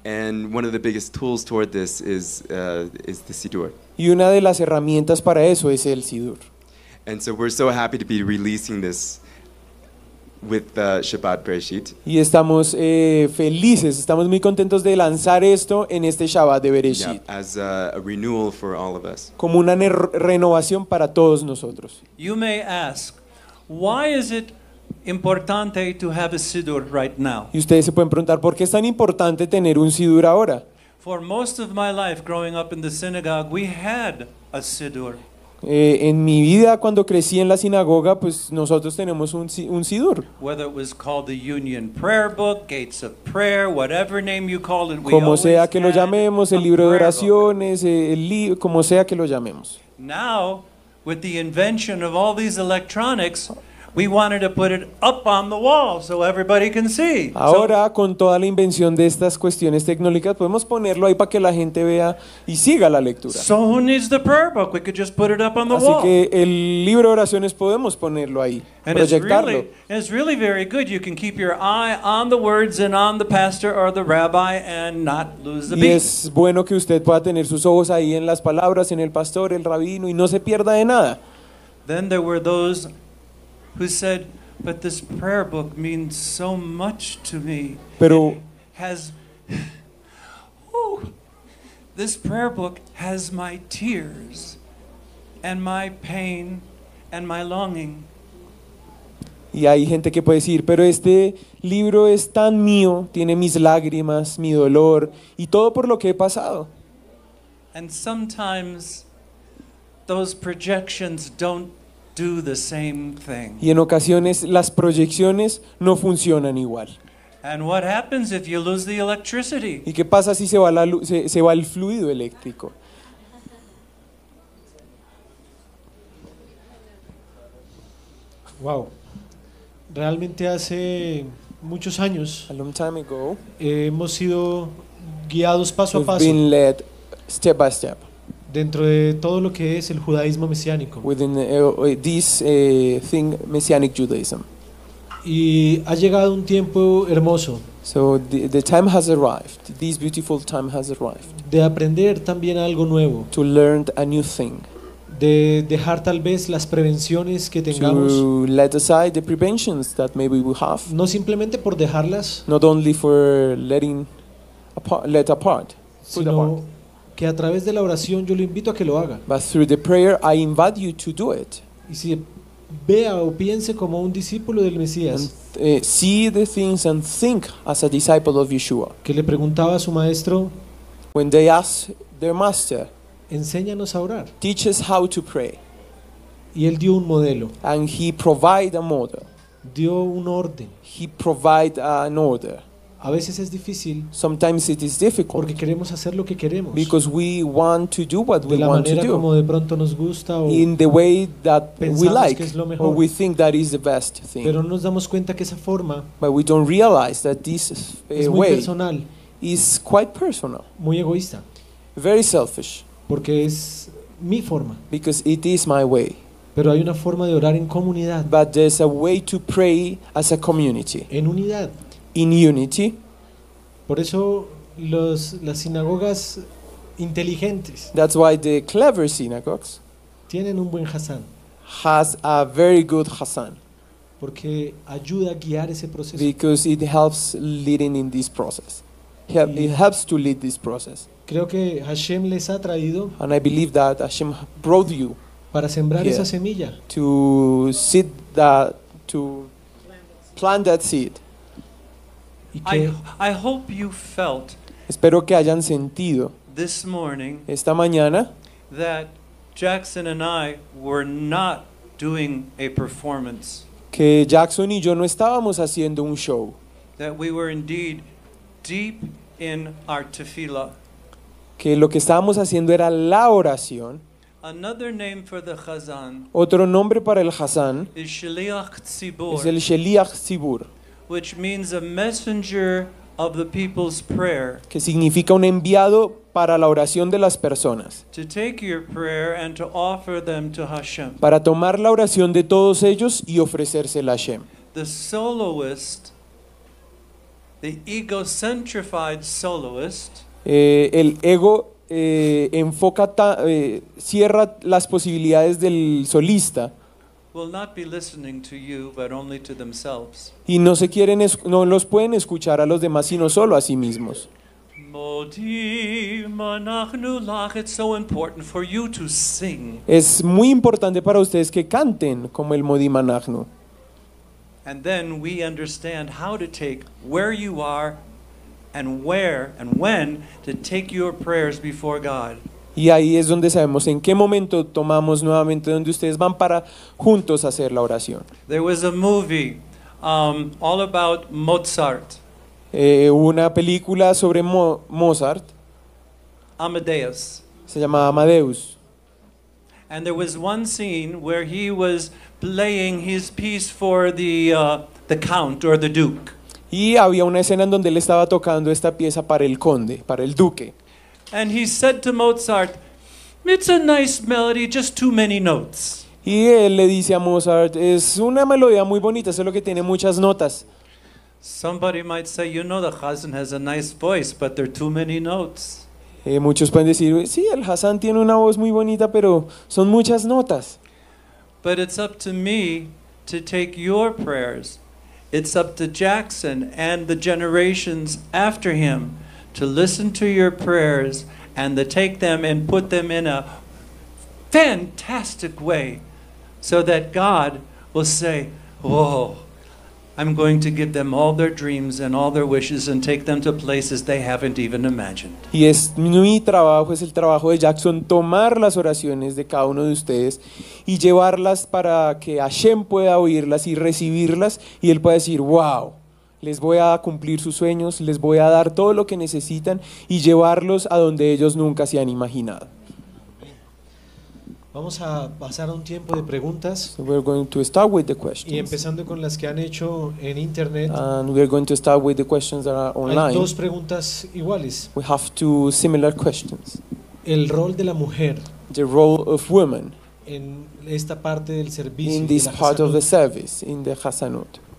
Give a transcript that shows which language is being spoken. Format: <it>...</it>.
<en>And one of the biggest tools toward this is the Siddur.</en> <es>Y una de las herramientas para eso es el Siddur.</es> <en>And so we're so happy to be releasing this with the Shabbat Bereshit.</en> <es>Y estamos felices, estamos muy contentos de lanzar esto en este Shabbat de Bereshit.</es> <en>Yeah, as a renewal for all of us.</en> <es>Como una renovación para todos nosotros.</es> <en>You may ask, why is it importante to have a Siddur right now?</en> <es>Y ustedes se pueden preguntar, ¿por qué es tan importante tener un Siddur ahora?</es> <en>For most of my life growing up in the synagogue, we had a Siddur.</en> <es>En mi vida, cuando crecí en la sinagoga, pues nosotros tenemos un Siddur.</es> <en>Whether it was called the Union Prayer Book, Gates of Prayer, whatever name you call it,</en> <es>como sea que lo llamemos, el libro de oraciones, como sea que lo llamemos.</es> <en>Now, with the invention of all these electronics, we wanted to put it up on the wall so everybody can see.</en> <es>Ahora, con toda la invención de estas cuestiones tecnológicas, podemos ponerlo ahí para que la gente vea y siga la lectura.</es> <en>So who needs the prayer book? We could just put it up on the</en> <es>así</es> <en>wall.</en> <es>Así que el libro de oraciones podemos ponerlo ahí,</es> <en>and</en> <es>proyectarlo.</es> <en>It's really very good. You can keep your eye on the words and on the pastor or the rabbi and not lose the beat.</en> <es>Y es bueno que usted pueda tener sus ojos ahí en las palabras, en el pastor, el rabino, y no se pierda de nada.</es> <en>Then there were those who said, but this prayer book means so much to me.</en> <es>Pero</es> <en>it has, oh, this prayer book has my tears and my pain and my longing.</en> <es>Y hay gente que puede decir, pero este libro es tan mío, tiene mis lágrimas, mi dolor y todo por lo que he pasado.</es> <en>And sometimes those projections don't do the same thing.</en> <es>Y en ocasiones las proyecciones no funcionan igual.</es> <en>And what happens if you lose the electricity?</en> <es>¿Y qué pasa si se va la se va el fluido eléctrico? Wow. Realmente hace muchos años.</es> <en>A long time ago.</en> <es>Hemos sido guiados paso</es> <en>we've</en> <es>a paso.</es> <en>Been led step by step.</en> <es>Dentro de todo lo que es el judaísmo mesiánico.</es> <en>Within this thing, messianic Judaism.</en> <es>Y ha llegado un tiempo hermoso.</es> <en>So the time has arrived. This beautiful time has arrived.</en> <es>De aprender también algo nuevo.</es> <en>To learn a new thing.</en> <es>De dejar tal vez las prevenciones que tengamos.</es> <en>To let aside the preventions that maybe we have.</en> <es>No simplemente por dejarlas.</es> <en>Not only for letting apart.</en> <es>Sino que a través de la oración yo lo invito a que lo haga.</es> <en>But through the prayer I invite you to do it.</en> <es>Y si vea o piense como un discípulo del Mesías.</es> <en>See the things and think as a disciple of Yeshua.</en> <es>Que le preguntaba a su maestro.</es> <en>When they ask their master.</en> <es>Enséñanos a orar.</es> <en>Teach us how to pray.</en> <es>Y él dio un modelo.</es> <en>And he provide a model.</en> <es>Dio un orden.</es> <en>He provide an order.</en> <es>A veces es difícil.</es> <en>Sometimes it is difficult.</en> <es>Porque queremos hacer lo que queremos.</es> <en>Because we want to do what we want to do.</en> <es>De la manera como de pronto nos gusta o</es> <en>in the way that we like,</en> <es>que es lo mejor.</es> <en>Or we think that is the best thing.</en> <es>Pero no nos damos cuenta que esa forma.</es> <en>But we don't realize that this</en> <es>es muy</es> <en>way</en> <es>personal.</es> <en>Is quite personal.</en> <es>Muy egoísta.</es> <en>Very selfish.</en> <es>Porque es mi forma.</es> <en>Because it is my way.</en> <es>Pero hay una forma de orar en comunidad.</es> <en>But there's a way to pray as a community.</en> <es>En unidad.</es> <en>In unity.</en> <es>Por eso las sinagogas inteligentes.</es> <en>That's why the clever synagogues.</en> <es>Tienen un buen hasán.</es> <en>Has a very good hasán.</en> <es>Porque ayuda a guiar ese proceso.</es> <en>Because it helps leading in this process. It helps to lead this process.</en> <es>Creo que Hashem les ha traído.</es> <en>And I believe that Hashem brought you.</en> <es>Para sembrar esa semilla.</es> <en>To seed that. To plant that seed. I hope you felt.</en> <es>Espero que hayan sentido.</es> <en>This morning.</en> <es>Esta mañana.</es> <en>That Jackson and I were not doing a performance.</en> <es>Que Jackson y yo no estábamos haciendo un show.</es> <en>That we were indeed deep in our tefillah.</en> <es>Que lo que estábamos haciendo era la oración.</es> <en>Another name for the chazan.</en> <es>Otro nombre para el chazan.</es> <en>Is Sheliach Tzibur.</en> <es>Es el Sheliach Tzibur.</es> <en>Which means a messenger of the people's prayer.</en> <es>Que significa un enviado para la oración de las personas.</es> <en>To take your prayer and to offer them to Hashem.</en> <es>Para tomar la oración de todos ellos y ofrecérsela a Hashem.</es> <en>The soloist, the egocentrified soloist.</en> <es>El ego enfoca cierra las posibilidades del solista.</es> <en>Will not be listening to you, but only to themselves.</en> <es>Y no se quieren no los pueden escuchar a los demás sino solo a sí mismos. Es muy importante para ustedes que canten como el Modi Manachnu.</es> <en>And then we understand how to take where you are and where and when to take your prayers before God.</en> <es>Y ahí es donde sabemos en qué momento tomamos nuevamente donde ustedes van para juntos hacer la oración.</es> <en>There was a movie all about Mozart.</en> <es>Una película sobre Mozart.</es> <en>Amadeus.</en> <es>Se llamaba Amadeus.</es> <en>And there was one scene where he was playing his piece for the count or the duke.</en> <es>Y había una escena en donde él estaba tocando esta pieza para el conde, para el duque.</es> <en>And he said to Mozart, "It's a nice melody, just too many notes."</en> <es>Y él le dice a Mozart, "Es una melodía muy bonita, solo que tiene muchas notas."</es> <en>Somebody might say, "You know, the Hasan has a nice voice, but there are too many notes."</en> <es>Muchos pueden decir, "Sí, el Hasan tiene una voz muy bonita, pero son muchas notas."</es> <en>But it's up to me to take your prayers. It's up to Jackson and the generations after him to listen to your prayers and to take them and put them in a fantastic way so that God will say, "Whoa, I'm going to give them all their dreams and all their wishes and take them to places they haven't even imagined."</en> <es>Y es mi trabajo, es el trabajo de Jackson, tomar las oraciones de cada uno de ustedes y llevarlas para que Hashem pueda oírlas y recibirlas y él pueda decir, "Wow, les voy a cumplir sus sueños, les voy a dar todo lo que necesitan y llevarlos a donde ellos nunca se han imaginado." Vamos a pasar un tiempo de preguntas.</es> <en>So we're going to start with the questions.</en> <es>Y empezando con las que han hecho en internet.</es> <en>And we're going to start with the questions that are online.</en> <es>Hay dos preguntas iguales.</es> <en>We have two similar questions.</en> <es>El rol de la mujer.</es> <en>The role of women.</en> <es>En esta parte del servicio.</es> <en>In this part of the service, in the Hasanut.</en>